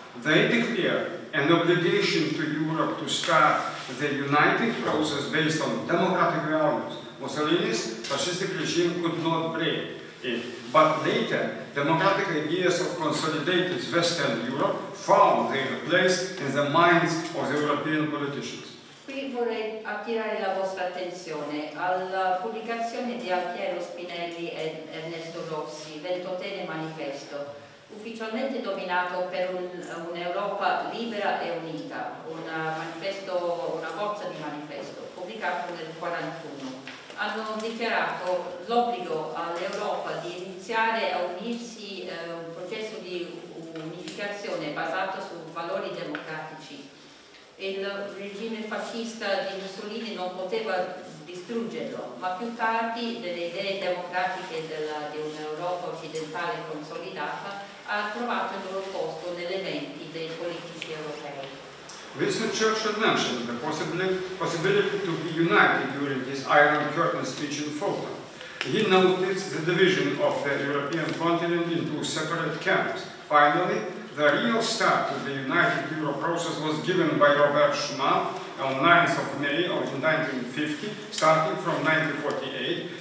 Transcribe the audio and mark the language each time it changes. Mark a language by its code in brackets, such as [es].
[en] They declare an obligation to Europe to start the united process based on democratic values. Mussolini's fascistic regime could not break it. But later, democratic ideas of consolidated Western Europe found their place in the minds of the European politicians. [it] Qui vorrei attirare la vostra attenzione alla pubblicazione di Altiero Spinelli e Ernesto Rossi, Ventotene Manifesto, ufficialmente nominato per un'Europa libera e unita, una bozza di manifesto, pubblicato nel 1941. Hanno dichiarato l'obbligo all'Europa di iniziare a unirsi un processo di unificazione basato su valori democratici. il regime fascista di Mussolini non poteva distruggerlo, ma più tardi delle idee democratiche di un'Europa occidentale consolidata ha trovato il loro posto nelle menti dei politici europei. [en] Winston Churchill mentioned the possibility to be united during his Iron Curtain speech in Fulton. He noted the division of the European continent into separate camps. Finally, the real start to the United Euro process was given by Robert Schuman on 9th of May of 1950, starting from 1948.